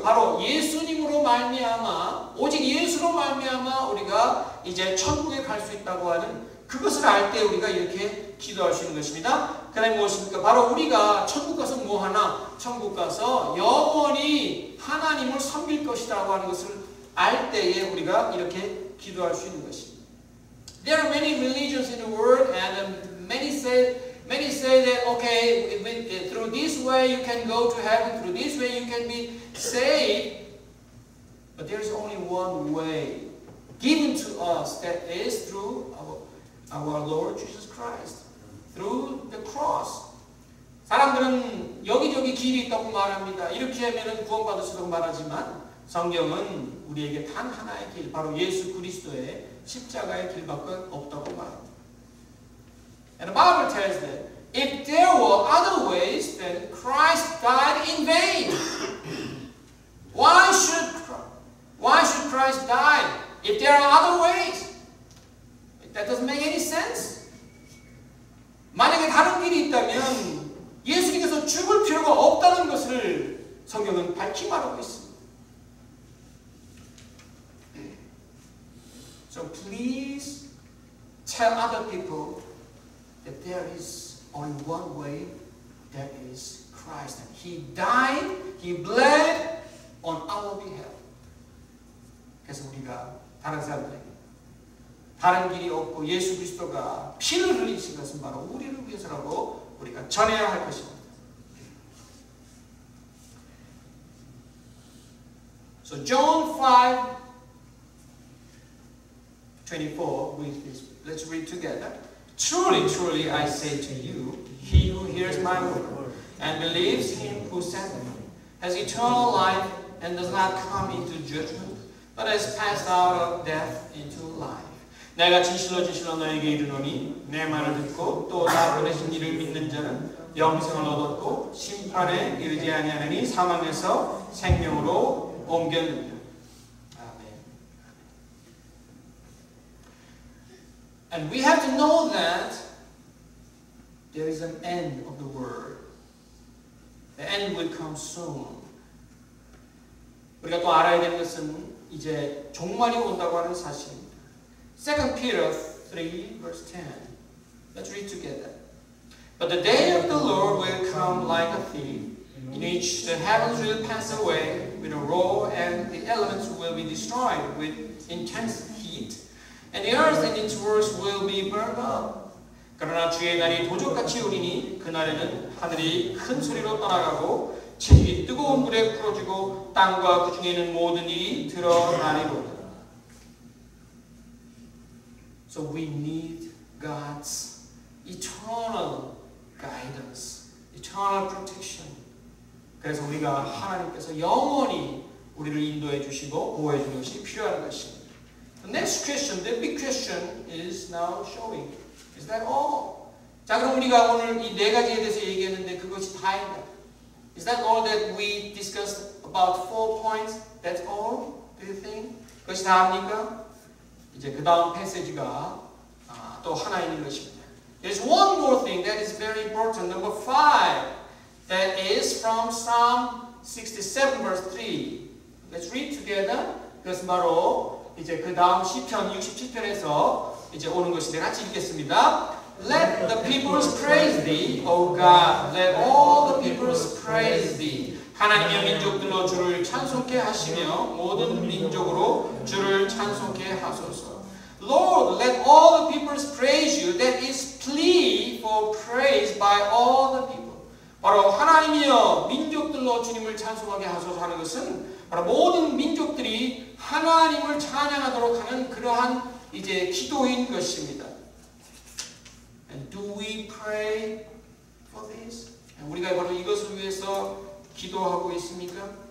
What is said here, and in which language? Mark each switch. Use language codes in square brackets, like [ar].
[ko] 바로 예수님으로 말미암아 오직 예수로 말미암아 우리가 이제 천국에 갈 수 있다고 하는 그것을 알 때 우리가 이렇게 기도할 수 있는 것입니다. 그 다음에 무엇입니까? 바로 우리가 천국 가서 뭐 하나? 천국 가서 영원히 하나님을 섬길 것이라고 하는 것을 알 때에 우리가 이렇게 기도할 수 있는 것입니다. [en] There are many religions in the world, and many say that okay, through this way you can go to heaven, through this way you can be saved. But there is only one way given to us, that is through our Lord Jesus Christ, through the cross. [ko] 사람들은 여기저기 길이 있다고 말합니다. 이렇게 하면은 구원받을 수 있다고 말하지만 성경은 우리에게 단 하나의 길, 바로 예수 그리스도의 십자가의 길밖에 없다고 말합니다. [en] And the Bible tells that if there were other ways, then Christ died in vain. Why should Christ die if there are other ways? That doesn't make any sense. [ko] 만약에 다른 길이 있다면 예수님께서 죽을 필요가 없다는 것을 성경은 밝히 말하고 있습니다. [en] So please tell other people that there is only one way, that is Christ. And He died, He bled on our behalf. [ko] 그래서 우리가 다른 사람들에게 다른 길이 없고 예수 그리스도가 피를 흘리신 것은 바로 우리를 위해서라고 우리가 전해야 할 것입니다. [en] So John 5 24, let's read together. Truly, truly, I say to you, he who hears my word and believes him who sent me has eternal life and does not come into judgment, but has passed out of death into life. [ko] 내가 진실로 진실로 너에게 이르노니 내 말을 듣고 또 나 보내신 이를 믿는 자는 영생을 얻었고 심판에 이르지 아니하느니 사망에서 생명으로 옮겼느니라. [en] And we have to know that there is an end of the world. The end will come soon. [ko] 우리가 또 알아야 되는 것은 이제 종말이 온다고 하는 사실입니다. [en] 2 Peter 3 verse 10. Let's read together. But the day of the Lord will come like a thief, in which the heavens will pass away with a roar, and the elements will be destroyed with intense heat. And the earth and its works will be burned up. [ko] 그러나 주의 날이 도적같이 오리니 그날에는 하늘이 큰 소리로 떠나가고 지진이 뜨거운 물에 풀어지고 땅과 그 중에 있는 모든 일이 드러나리로다. [en] So we need God's eternal guidance, eternal protection. [ko] 그래서 우리가 하나님께서 영원히 우리를 인도해 주시고 보호해 주는 것이 필요한 것입니다. [en] The next question, the big question is now showing. Is that all? [ko] 자, 그럼 우리가 오늘 이 네 가지에 대해서 얘기했는데 그것이 다인가? [en] Is that all that we discussed about four points? That's all? Do you think? [ko] 그것이 다입니까? 이제 그 다음 패세지가 또 하나 있는 것입니다. [en] There's one more thing that is very important. Number five. That is from Psalm 67 verse 3. Let's read together. [ko] 그것은 바로 이제 그 다음 시편 67편에서 이제 오는 것인데 같이 읽겠습니다. [en] Let the peoples praise thee, O God. Let all the peoples praise thee. [ko] 하나님의 민족들로 주를 찬송케 하시며 모든 민족으로 주를 찬송케 하소서. [en] Lord, let all the peoples praise you. That is plea for praise by all the people. [ko] 바로 하나님이여 민족들로 주님을 찬송하게 하소서 하는 것은 바로 모든 민족들이 하나님을 찬양하도록 하는 그러한 이제 기도인 것입니다. [en] And do we pray for this? [ko] 우리가 바로 이것을 위해서 기도하고 있습니까?